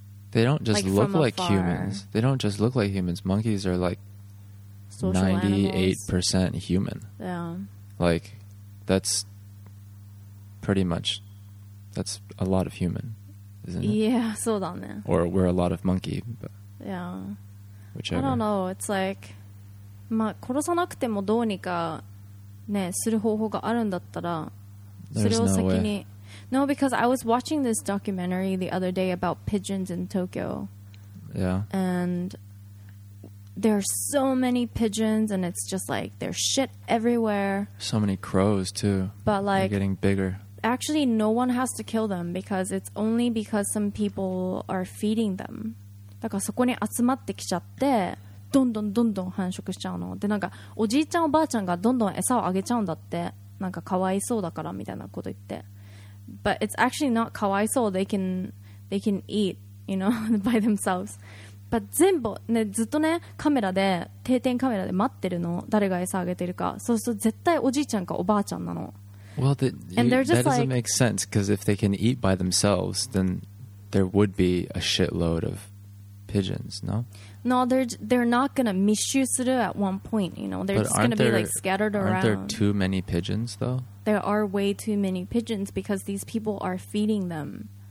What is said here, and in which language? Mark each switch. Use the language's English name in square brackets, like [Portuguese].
[English] They don't just look like humans. They don't just look like humans. Monkeys are like 98% human. Yeah. Like, that's pretty much, that's a lot of human, isn't it? [Japanese] Yeah, そうだね。 [English] Or we're a lot of monkey. But yeah. Whichever. I don't know. It's like, [Japanese] まあ殺さなくてもどうにかね、する方法があるんだったら、それを先に。 [English] No, because I was watching this documentary the other day about pigeons in Tokyo. Yeah. And there are so many pigeons, and it's just like there's shit everywhere. So many crows too. But like, they're getting bigger. Actually, no one has to kill them because it's only because some people are feeding them. [Japanese] だからそこに集まってきちゃって、どんどんどんどん繁殖しちゃうの。で、なんかおじいちゃんおばあちゃんがどんどん餌をあげちゃうんだって、なんかかわいそうだからみたいなこと言って。 [English] But it's actually not kawaiso. They can eat, you know, by themselves. [Japanese] But 全部ね、ずっとね、カメラで、定点カメラで待ってるの、誰が餌あげてるか。そうすると絶対おじいちゃんかおばあちゃんなの。 [English] Well, that doesn't make sense, because if they can eat by themselves, then there would be a shitload of pigeons, no? No, they're not going to misuse する at one point, you know. They're but just going to be like scattered aren't Aren't there too many pigeons, though? There are way too many pigeons because these people are feeding them.